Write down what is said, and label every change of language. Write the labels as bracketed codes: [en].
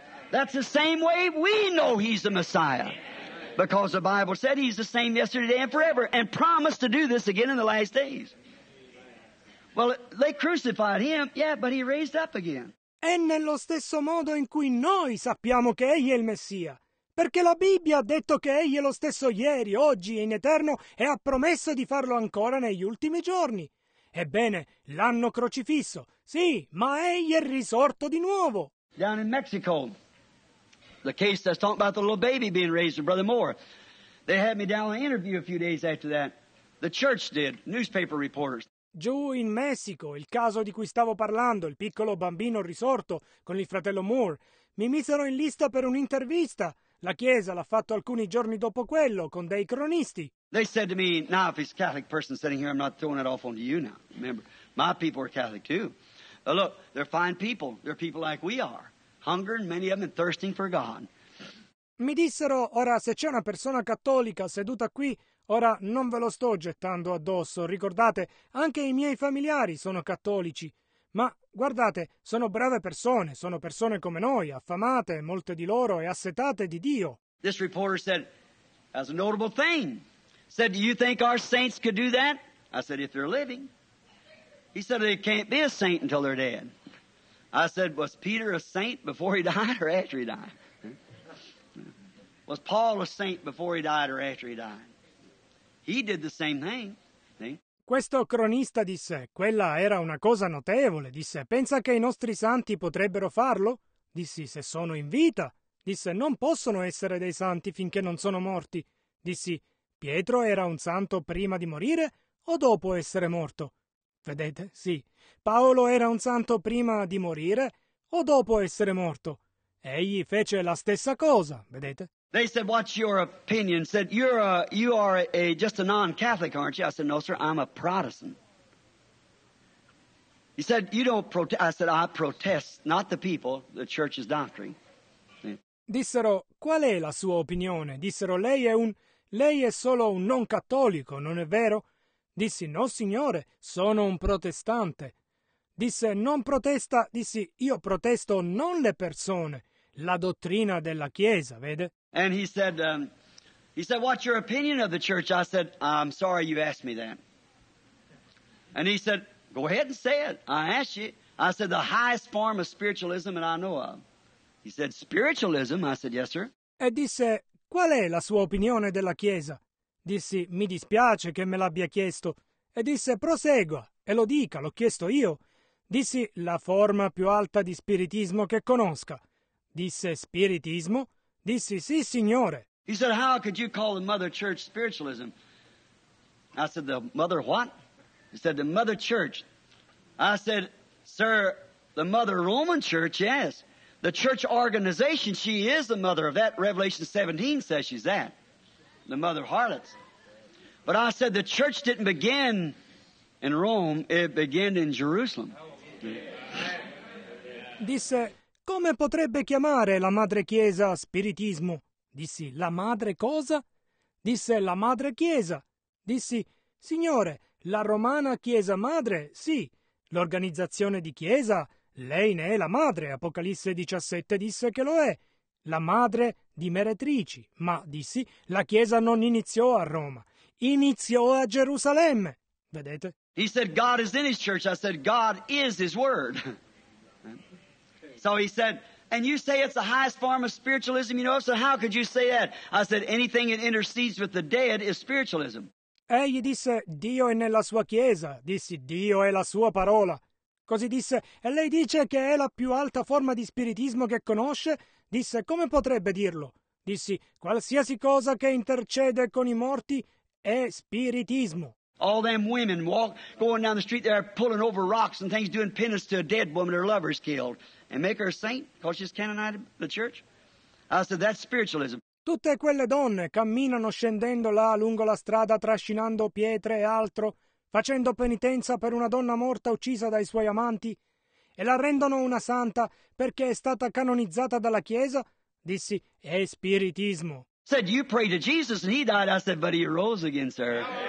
[en] That's the same way we know he's the Messiah. Because the Bible said he's the same yesterday and forever and promised to do this again in the last days. Well, they crucified him, yeah, but he raised up again. [it] È nello stesso modo in cui noi sappiamo che egli è il Messia. Perché la Bibbia ha detto che egli è lo stesso ieri, oggi e in eterno e ha promesso di farlo ancora negli ultimi giorni. Ebbene, l'hanno crocifisso. Sì, ma egli è risorto di nuovo. [en] Down in Mexico, the case that's talking about the little baby being raised by Brother Moore. They had me down on an interview a few days after that. The church did, newspaper reporters. [it] Giù in Messico, il caso di cui stavo parlando, il piccolo bambino risorto con il fratello Moore, mi misero in lista per un'intervista. La Chiesa l'ha fatto alcuni giorni dopo quello, con dei cronisti. [en] They said to me, now if he's a Catholic person sitting here, I'm not throwing it off on you now. Remember, my people are Catholic too. But look, they're fine people. They're people like we are. Hungering, many of them, and thirsting for God. [it] Mi dissero, ora se c'è una persona cattolica seduta qui, ora non ve lo sto gettando addosso. Ricordate, anche i miei familiari sono cattolici. Ma guardate, sono brave persone. Sono persone come noi, affamate, molte di loro, e assetate di Dio. [en] This reporter said, that's a notable thing. Said, do you think our saints could do that? I said, if they're living. He said, they can't be a saint until they're dead. I said, was Peter a saint before he died or after he died? Was Paul a saint before he died or after he died? He did the same thing. [it] Questo cronista disse, quella era una cosa notevole. Disse, pensa che i nostri santi potrebbero farlo? Dissi, se sono in vita. Disse, non possono essere dei santi finché non sono morti. Dissi, Pietro era un santo prima di morire o dopo essere morto? Vedete, sì. Paolo era un santo prima di morire o dopo essere morto? Egli fece la stessa cosa, vedete? [en] They said, what's your opinion? Said, you are just a non-Catholic, aren't you? I said, no, sir, I'm a Protestant. He said, you don't protest. I said, I protest, not the people, the church's doctrine. [it] Dissero, qual è la sua opinione? Dissero, lei è solo un non-cattolico, non è vero? Dissi, no, signore, sono un protestante. Disse, non protesta. Dissi, io protesto non le persone, la dottrina della Chiesa, vede? [en] And he said, what's your opinion of the church? I said, I'm sorry you asked me that. And he said, go ahead and say it. I asked you. I said, the highest form of spiritualism that I know of. He said, spiritualism? I said, yes, sir. [it] E disse, qual è la sua opinione della Chiesa? Dissi, mi dispiace che me l'abbia chiesto. E disse, prosegua e lo dica, l'ho chiesto io. Dissi, la forma più alta di spiritismo che conosca. Disse, spiritismo? Dissi, sì, signore. [en] He said, how could you call the mother church spiritualism? I said, the mother what? He said, the mother church. I said, sir, the mother Roman church, yes. The church organization, she is the mother of that. Revelation 17 says she's that, the mother harlots. But I said, the church didn't begin in Rome, it began in Jerusalem. [it] Disse, come potrebbe chiamare la madre chiesa spiritismo? Dissi, la madre cosa? Disse, la madre chiesa. Dissi, signore, la romana chiesa madre, sì. L'organizzazione di chiesa, lei ne è la madre. Apocalisse 17 disse che lo è. La madre di meretrici. Ma, dissi, la chiesa non iniziò a Roma. Iniziò a Gerusalemme. Vedete? [en] He said, God is in his church. I said, God is his word. So he said, and you say it's the highest form of spiritualism, you know, so how could you say that? I said, anything that intercedes with the dead is spiritualism. [it] Egli disse, Dio è nella sua chiesa. Dissi, Dio è la sua parola. Così disse, e lei dice che è la più alta forma di spiritismo che conosce? Disse, come potrebbe dirlo? Dissi, qualsiasi cosa che intercede con i morti è spiritismo. [en] All them women walk going down the street there pulling over rocks and things, doing penance to a dead woman her lover's killed, and make her a saint because she's canonized the church. I said, that's spiritualism. [it] Tutte quelle donne camminano scendendo là lungo la strada trascinando pietre e altro, facendo penitenza per una donna morta uccisa dai suoi amanti, e la rendono una santa perché è stata canonizzata dalla Chiesa? Dissi, è spiritismo. [en] Said, you pray to Jesus and he died. I said, but he rose again, sir.